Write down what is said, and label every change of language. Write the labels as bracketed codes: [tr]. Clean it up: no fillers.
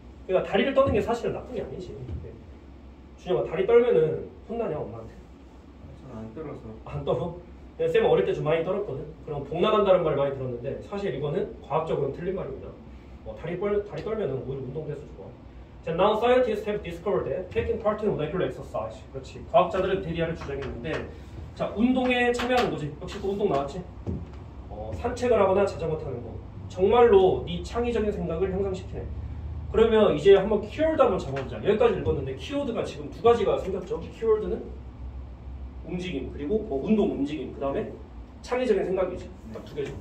[ko] 그러니까 다리를 떠는 게 사실은 나쁜 게 아니지. 네. 준영아, 다리 떨면은 혼나냐, 엄마한테? 잘 안 떨어서. 안 떨어? 내가 쌤 어릴 때 좀 많이 떨었거든. 그럼 복나간다는 말 많이 들었는데, 사실 이거는 과학적으로는 틀린 말입니다. 다리 떨면은 오히려 운동돼서 좋아. [en] Now scientists have discovered that taking part in regular exercise. [ko] 그렇지. 과학자들은 대리아를 주장했는데, 자, 운동에 참여하는 거지. 역시 또 운동 나왔지. 산책을 하거나 자전거 타는 거. 정말로 네 창의적인 생각을 향상시키네. 그러면 이제 한번 키워드 한번 잡아보자. 여기까지 읽었는데 키워드가 지금 두 가지가 생겼죠. 키워드는 움직임, 그리고 운동 움직임. 그 다음에 창의적인 생각이지. 네. 딱 두 개죠.